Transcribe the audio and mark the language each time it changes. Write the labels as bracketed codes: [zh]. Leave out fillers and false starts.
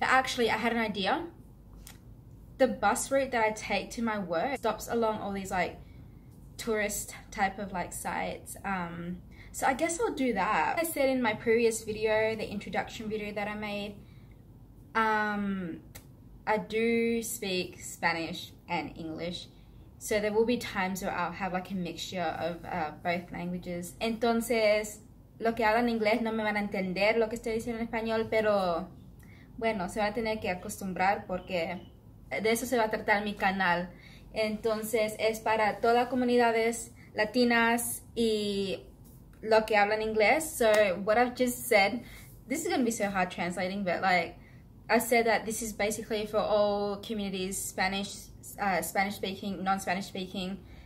[en] But actually, I had an idea. The bus route that I take to my work stops along all these like tourist type of like sites, so I guess I'll do that. Like I said in my previous video, the introduction video that I made, I do speak Spanish and English, so there will be times where I'll have like a mixture of both languages. [es] Entonces, lo que hablan inglés no me van a entender lo que estoy diciendo en español, pero bueno, se van a tener que acostumbrar porque de eso se va a tratar mi canal. Entonces es para todas las comunidades latinas y lo que hablan inglés. [en] So what I've just said, this is gonna be so hard translating, but like I said that this is basically for all communities, Spanish, Spanish speaking, non-Spanish speaking.